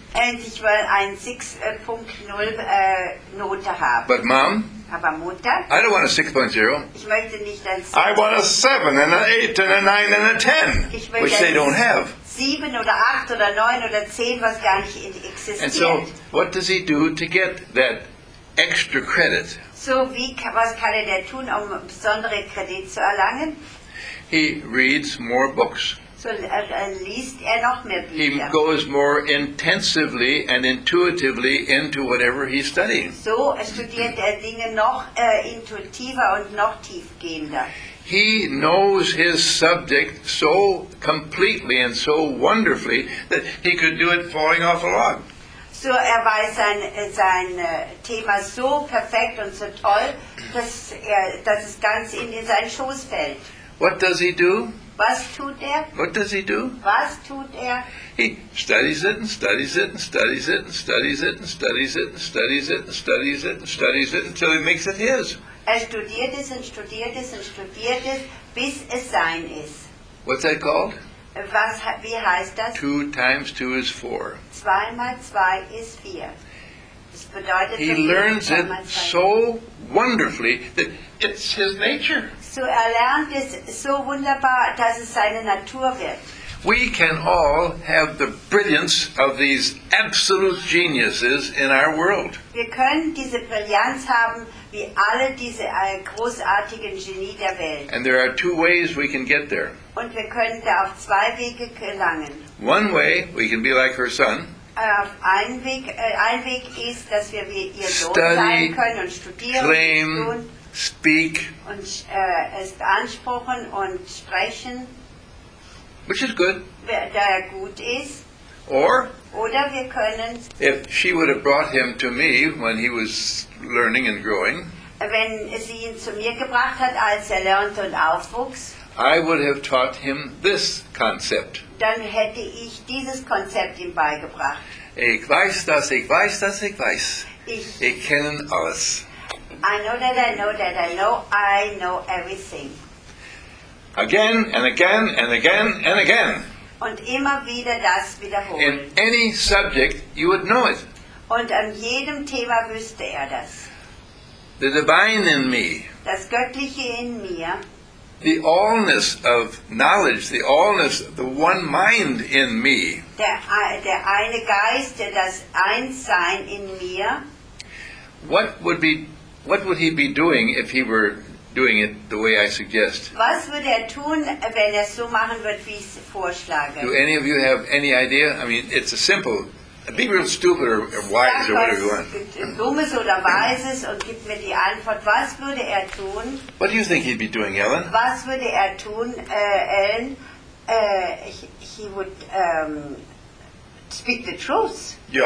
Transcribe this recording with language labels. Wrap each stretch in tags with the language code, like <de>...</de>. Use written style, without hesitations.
<de>Und ich will ein 6.0 Note haben.</de> <en>But Mom?</en> <de>Aber Mutter?</de> <en>I don't want a 6.0.</en> <de>Ich möchte nicht ein 6.</de> <en>I want a 7 and an 8 and a 9 and a 10, which they don't have.</en> <de>7 oder 8 oder 9 oder 10, was gar nicht existiert.</de> <en>And so, what does he do to get that extra credit?</en> <de>So, was kann er denn tun, um besondere Kredit zu erlangen?</de> <en>He reads more books.</en> <de>So liest er noch mehr Bücher.</de> <en>He goes more intensively and intuitively into whatever he's studying.</en> <de>So studiert er Dinge noch intuitiver und noch tiefgehender.</de> <en>He knows his subject so completely and so wonderfully that he could do it falling off a log.</en> <de>So er weiß sein Thema so perfekt und so toll, dass es ganz in seinen Schoß fällt.</de> <en>What does he do?</en> <de>Was tut er?</de> <en>What does he do?</en> <de>Was tut er?</de> <en>He studies it and studies it and studies it and studies it and studies it and studies it and studies it and studies it until he makes it his.</en> <de>Er studiert es und studiert es und studiert es, bis es sein ist.</de> <en>What's that called?</en> <de>Wie heißt das?</de> <en>2 times 2 is 4.</en> <de>2 mal 2 ist 4. Das bedeutet,</de> <en>he learns it so wonderfully that it's his nature.</en> <de>So er lernt es so wunderbar, dass es seine Natur wird.</de> <en>We can all have the brilliance of these absolute geniuses in our world.</en> <de>Wir können diese Brillanz haben wie alle diese großartigen Genie der Welt.</de> <en>And there are 2 ways we can get there.</en> <de>Und wir können da auf 2 Wege gelangen.</de> <en>One way we can be like her son.</en> <de>Auf ein Weg ist, dass wir wie ihr Sohn sein können und studieren.</de> <en>Claim, speak.</en> <de>Und es beanspruchen und sprechen.</de> <en>Which is good.</en> <de>Der gut ist. Oder wir können.</de> <en>If she would have brought him to me when he was learning and growing.</en> <de>Wenn sie ihn zu mir gebracht hat, als er lernte und aufwuchs.</de> <en>I would have taught him this concept.</en> <de>Dann hätte ich dieses Konzept ihm beigebracht. Ich weiß das, ich weiß das, ich weiß. Ich kenne alles.</de> <en>I know that I know that I know. I know everything. Again and again and again and again.</en> <de>Und immer wieder das wiederholen.</de> <en>In any subject, you would know it.</en> <de>Und an jedem Thema wüsste er das.</de> <en>The divine in me.</en> <de>Das Göttliche in mir.</de> <en>The allness of knowledge, the allness, the one mind in me.</en> <de>Der eine Geist, das Einssein in mir.</de> <en>What would he be doing if he were doing it the way I suggest?</en> <de>Was würde er tun, wenn er so machen würde, wie ich vorschlage?</de> <en>Do any of you have any idea? I mean, it's a simple. Be real stupid or wise or whatever you want.</en> <de>Dummes oder Weises und gib mir die Antwort. Was würde er tun?</de> <en>What do you think he'd be doing, Ellen?</en> <de>Was würde er tun, Ellen?</de> <en>He would speak the truth.</en>